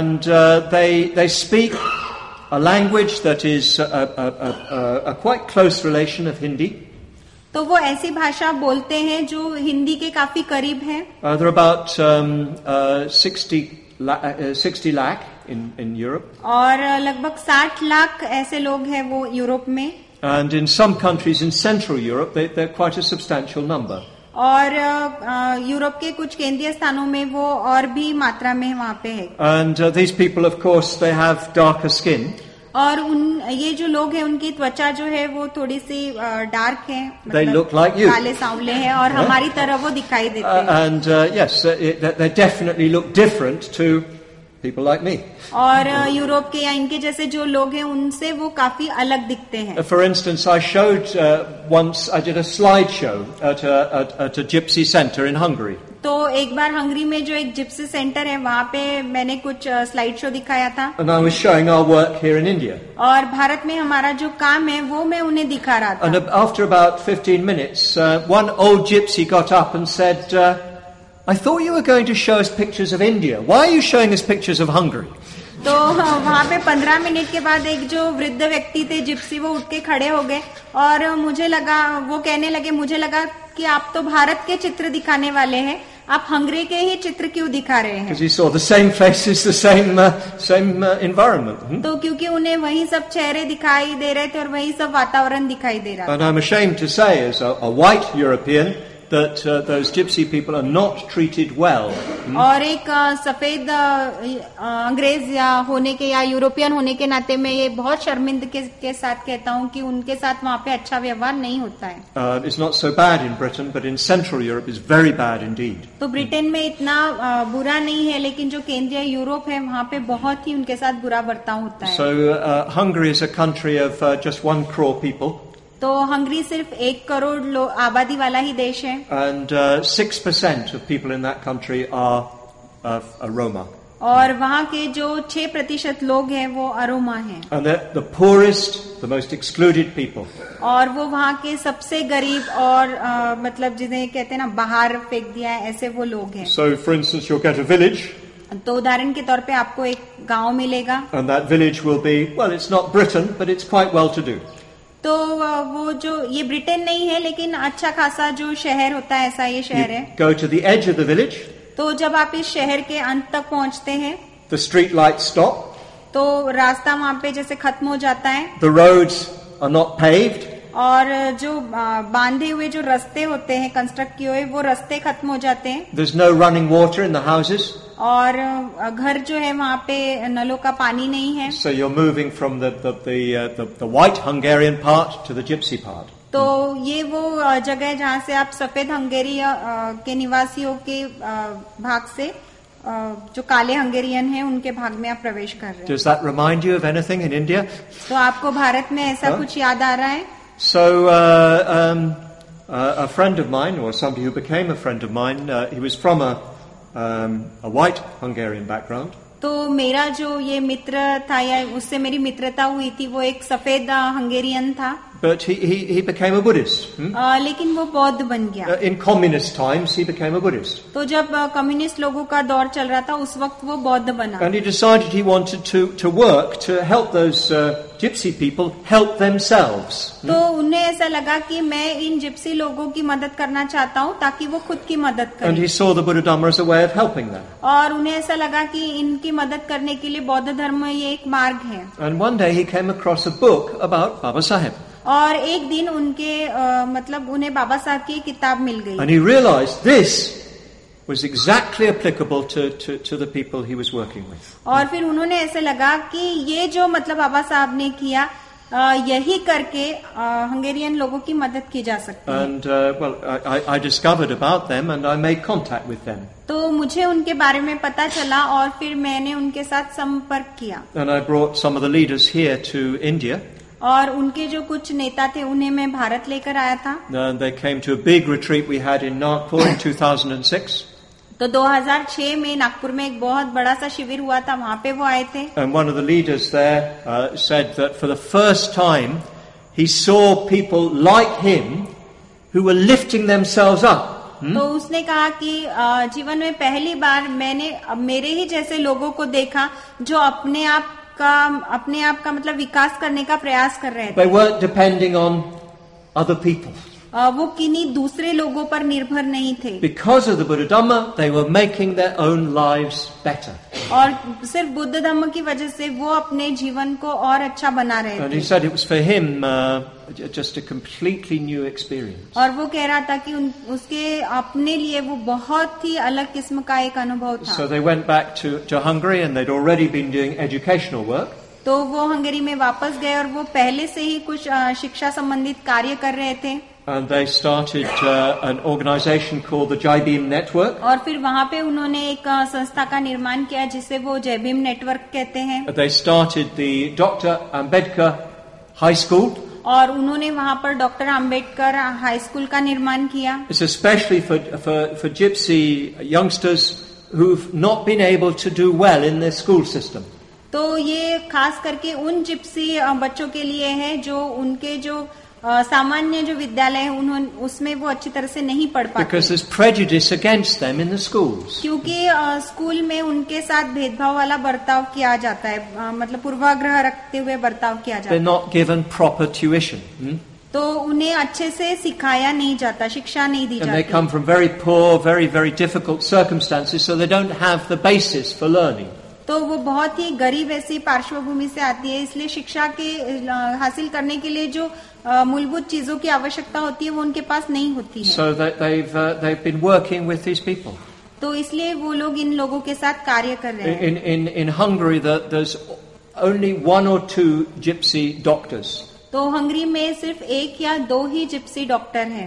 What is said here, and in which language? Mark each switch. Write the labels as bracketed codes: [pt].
[en] And they speak a language that is a quite close relation of Hindi. [hi] तो वो ऐसी भाषा बोलते हैं जो हिंदी के काफी करीब है. [en] There are about 60 lakh in Europe. [hi] और लगभग 60 लाख ऐसे लोग हैं वो यूरोप में. [en] And in some countries in Central Europe, they're quite a substantial number. [hi] और यूरोप के कुछ केंद्रीय स्थानों में वो और भी मात्रा में वहाँ पे है. [en] And these people, of course, they have darker skin. [hi] और उन ये जो लोग हैं उनकी त्वचा जो है वो थोड़ी सी डार्क है, मतलब [en] they look like you. [hi] काले सांवले हैं और हमारी तरह वो दिखाई देते हैं. [en] And yes, they definitely look different to people like me. [hi] और यूरोप के या इनके जैसे जो लोग हैं उनसे वो काफी अलग दिखते हैं. [en] For instance, I showed once I did a slideshow at a gypsy center in Hungary. [hi] तो एक बार हंगरी में जो एक जिप्सी सेंटर है वहाँ पे मैंने कुछ स्लाइड शो दिखाया था. [en] And I was showing our work here in India. [hi] और भारत में हमारा जो काम है वो मैं उन्हें दिखा रहा था. [en] And after about 15 minutes, one old gypsy got up and said, I thought you were going to show us pictures of India. Why are you showing us pictures of Hungary? [hi] तो वहां पे 15 मिनट के बाद एक जो वृद्ध व्यक्ति थे जिप्सी वो उठ के खड़े हो गए और मुझे लगा वो कहने लगे मुझे लगा कि आप तो भारत के चित्र दिखाने वाले हैं आप हंगरी के ही चित्र क्यों दिखा रहे हैं [en] because he saw the same faces, the same environment. [hi] तो क्योंकि उन्हें वही सब चेहरे दिखाई दे रहे थे और वही सब वातावरण दिखाई दे रहा था [en] but I'm ashamed to say as a white European that those gypsy people are not treated well. [hi] और एक सफेद अंग्रेज होने के या यूरोपियन होने के नाते मैं ये बहुत शर्मिंदगी के साथ कहता हूँ कि उनके साथ वहाँ पे अच्छा व्यवहार नहीं होता है. [en] It's not so bad in Britain, but in Central Europe it's very bad indeed. [hi] तो ब्रिटेन में इतना बुरा नहीं है लेकिन जो केंद्रीय यूरोप है वहाँ पे बहुत ही उनके साथ बुरा बर्ताव होता है. [en] So Hungary is a country of just 1 crore people. [hi] तो हंगरी सिर्फ 1 करोड़ आबादी वाला ही देश है [en] and 6% of people in that country are of Roma. [hi] और वहाँ के जो 6% लोग हैं वो अरोमा हैं. [en] And the poorest, the most excluded people. [hi] और वो वहाँ के सबसे गरीब और मतलब जिन्हें कहते हैं ना बाहर फेंक दिया है ऐसे वो लोग हैं. [en] So for instance you'll get a village. [hi] तो उदाहरण के तौर पे आपको एक गांव मिलेगा. [en] And that village will be, well it's not Britain but it's quite well to do. [hi] तो वो जो ये ब्रिटेन नहीं है लेकिन अच्छा खासा जो शहर होता है ऐसा ये शहर है. [en] Go to the edge of the village. [hi] तो जब आप इस शहर के अंत तक पहुंचते हैं. [en] The street lights stop. [hi] तो रास्ता वहां पे जैसे खत्म हो जाता है. [en] The roads are not paved. [hi] और जो बांधे हुए जो रास्ते होते हैं कंस्ट्रक्ट किए हुए वो रास्ते खत्म हो जाते हैं. [en] There's no running water in the houses. [hi] और घर जो है वहाँ पे नलों का पानी नहीं है. [en] So you're moving from the white Hungarian part to the gypsy part. [hi] तो ये वो जगह है जहाँ से आप सफेद हंगेरी के निवासियों के भाग से जो काले हंगेरियन हैं उनके भाग में आप प्रवेश कर रहे हैं. [en] Does that remind you of anything in India? [hi] तो आपको भारत में ऐसा कुछ याद आ रहा है? [en] So a friend of mine, or somebody who became a friend of mine, he was from a white Hungarian background. [hi] तो मेरा जो ये मित्र था या उससे मेरी मित्रता हुई थी वो एक सफेद हंगेरियन था. [en] But he became a Buddhist. [hi] लेकिन वो बौद्ध बन गया. [en] In communist times he became a Buddhist. [hi] तो जब कम्युनिस्ट लोगों का दौर चल रहा था उस वक्त वो बौद्ध बना. [en] And he decided he wanted to work to help those gypsy people help themselves. [hi] तो उन्हें ऐसा लगा कि मैं इन जिप्सी लोगों की मदद करना चाहता हूँ ताकि वो खुद की मदद करें. [en] And he saw the Buddha Dharma as a way of helping them. [hi] और उन्हें ऐसा लगा कि इनकी मदद करने के लिए बौद्ध धर्म ये एक मार्ग है. [en] And one day he came across a book about Baba Saheb. [hi] और एक दिन उनके मतलब उन्हें बाबा साहब की किताब मिल गई. [en] And he realized this was exactly applicable to the people he was working with. [hi] और फिर उन्होंने ऐसे लगा कि ये जो मतलब बाबा साहब ने किया यही करके हंगेरियन लोगों की मदद की जा सकती है. [en] And well, I discovered about them and I made contact with them. [hi] तो मुझे उनके बारे में पता चला और फिर मैंने उनके साथ संपर्क किया. [en] And I brought some of the leaders here to India. [hi] और उनके जो कुछ नेता थे उन्हें मैं भारत लेकर आया था. [en] And they came to a big retreat we had in Nagpur in 2006. [hi] तो 2006 में नागपुर में एक बहुत बड़ा सा शिविर हुआ था वहाँ पे वो आए थे. [en] And one of the leaders there said that for the first time he saw people like him who were lifting themselves up. [hi] तो उसने कहा कि जीवन में पहली बार मैंने मेरे ही जैसे लोगों को देखा जो अपने आप का मतलब विकास करने का प्रयास कर रहे थे. [en] They weren't depending on other people. [hi] वो किन्हीं दूसरे लोगों पर निर्भर नहीं थे. [en] Because of the Buddha Dhamma, they were making their own lives better. [hi] और सिर्फ बुद्ध धम्म की वजह से वो अपने जीवन को और अच्छा बना रहे थे. [en] And he said it was for him just a completely new experience. [hi] और वो कह रहा था कि उसके अपने लिए वो बहुत ही अलग किस्म का एक अनुभव था. [en] So they went back to Hungary and they'd already been doing educational work. [hi] तो वो हंगरी में वापस गए और वो पहले से ही कुछ शिक्षा संबंधित कार्य कर रहे थे. [en] And they started an organization called the Jai Bhim Network. [hi] और फिर वहाँ पे उन्होंने एक संस्था का निर्माण किया जिसे वो जय भीम नेटवर्क कहते हैं. [en] They started the Dr. Ambedkar High School. [hi] और उन्होंने वहाँ पर डॉक्टर अम्बेडकर हाई स्कूल का निर्माण किया. [en] It's especially for gypsy youngsters who've not been able to do well in their school system. [hi] तो ये खास करके उन जिप्सी बच्चों के लिए है जो उनके जो सामान्य जो विद्यालय है उन्होंने उसमें वो अच्छी तरह से नहीं पढ़ पाते [en] because there's prejudice against them in the schools. [hi] क्योंकि स्कूल में उनके साथ भेदभाव वाला बर्ताव किया जाता है मतलब पूर्वाग्रह रखते हुए बर्ताव किया जाता [en] they're not given proper tuition. [hi] तो उन्हें अच्छे से सिखाया नहीं जाता शिक्षा नहीं दी [en] And [hi] जाती [en] they come from very poor, very, very difficult circumstances, so they don't have the basis for learning. [hi] तो वो बहुत ही गरीब ऐसी पार्श्वभूमि से आती है इसलिए शिक्षा के हासिल करने के लिए जो मूलभूत चीजों की आवश्यकता होती है वो उनके पास नहीं होती है [en] so that they've been working with these people. [hi] तो इसलिए वो लोग इन लोगों के साथ कार्य कर रहे हैं [en] in Hungary there's only one or two gypsy doctors. [hi] तो हंगरी में सिर्फ एक या दो ही जिप्सी डॉक्टर हैं।